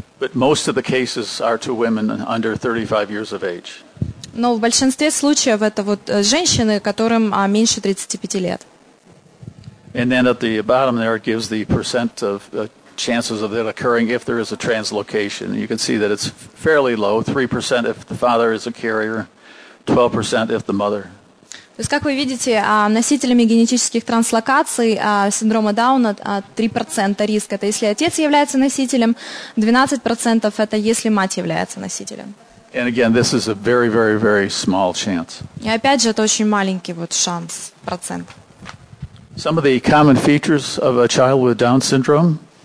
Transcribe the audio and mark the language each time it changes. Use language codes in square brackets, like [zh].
[en] But most of the cases are to women under 35 years of age. [ru] Но в большинстве случаев это вот женщины, которым меньше 35 лет. [en] And then at the bottom there it gives the percent of chances of that occurring if there is a translocation. You can see that it's fairly low, 3% if the father is a carrier, 12% if the mother. [ru] То есть, как вы видите, носителями генетических транслокаций синдрома Дауна 3% риск. Это если отец является носителем, 12% это если мать является носителем. [en] And again, this is a very, very, very small chance. [ru] И опять же, это очень маленький вот шанс, процент. [en] Some of the common features of a child with Down syndrome.